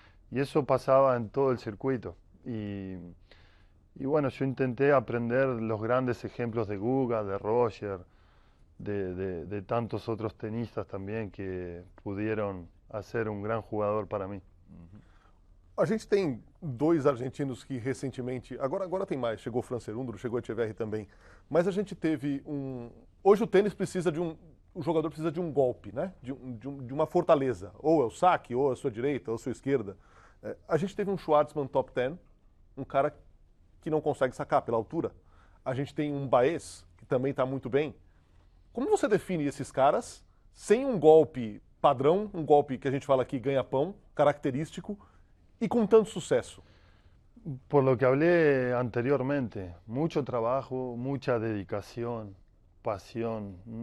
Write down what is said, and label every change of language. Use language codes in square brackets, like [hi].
[es] Y eso pasaba en todo el circuito. Y bueno, yo intenté aprender los grandes ejemplos de Guga, de Roger, de tantos otros tenistas también que pudieron hacer un gran jugador para mí. [pt] A gente tem dois argentinos que recentemente, agora tem mais, chegou o Fran Cerúndolo, chegou o Echeverri também, mas a gente teve hoje o tênis precisa de o jogador precisa de um golpe, né? De uma fortaleza. Ou é o saque, ou é a sua direita, ou a sua esquerda. A gente teve um Schwartzman top 10, um cara que não consegue sacar pela altura. A gente tem um Baez, que também está muito bem. Como você define esses caras sem um golpe padrão, um golpe que a gente fala aqui ganha-pão, característico, e com tanto sucesso? [es] Por lo que hablé anteriormente, mucho trabajo, mucha dedicación, pasión.